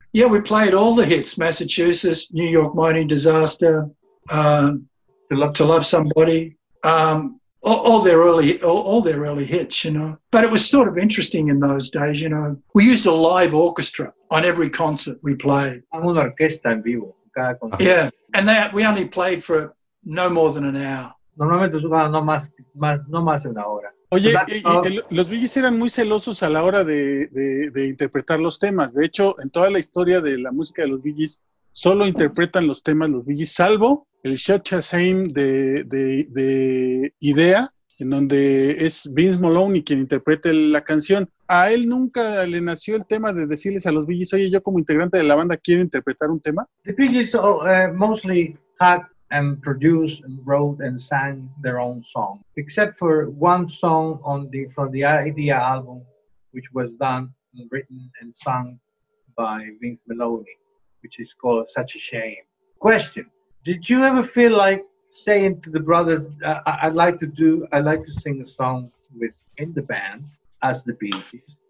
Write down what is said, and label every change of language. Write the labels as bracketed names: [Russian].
[English] Yeah, we played all the hits, Massachusetts, New York Mining Disaster, To Love Somebody, all their early hits, you know. But it was sort of interesting in those days, you know. We used a live orchestra on every concert we played. [Spanish] I'm an orquesta en vivo. [English] Yeah, and we only played for no more than an hour. [Spanish] Normalmente jugaba no más de una hora. Oye, los Bee Gees eran muy celosos a la hora de interpretar los temas. De hecho, en toda la historia de la música de los Bee Gees, solo interpretan los temas los Bee Gees, salvo el Shot Chasaim de Idea, en donde es Vince Moloney quien interpreta la canción. A él nunca le nació el tema de decirles a los Bee Gees, oye, yo como integrante de la banda, ¿quiero interpretar un tema? [English] The Bee Gees mostly had... and produced and wrote and sang their own song, except for one song from the Idea album, which was done and written and sung by Vince Meloni, which is called Such a Shame. Question: did you ever feel like saying to the brothers, I'd like to sing a song within the band as the Bee Gees?